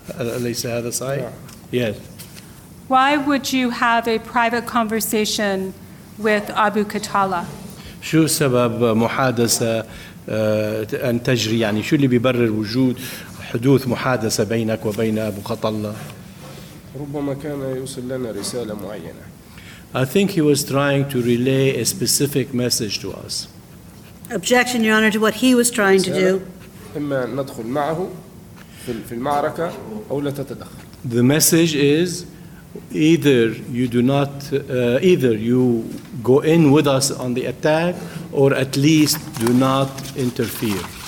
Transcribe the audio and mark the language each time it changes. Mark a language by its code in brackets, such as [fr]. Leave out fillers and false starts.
[ar] أليس هذا صحيح؟ [en] Yes. Why would you have a private conversation with Abu Qatala? [ar] شو سبب محادثة أن تجري يعني شو اللي بيبرر وجود حدوث محادثة بينك وبين أبو قتالة؟ ربما كان يوصل لنا رسالة معينة. [en] I think he was trying to relay a specific message to us. Objection, Your Honor, to what he was trying to do. [ar] إما ندخل معه في المعركة أو لا تتدخل. [en] The message is either you go in with us on the attack or at least do not interfere.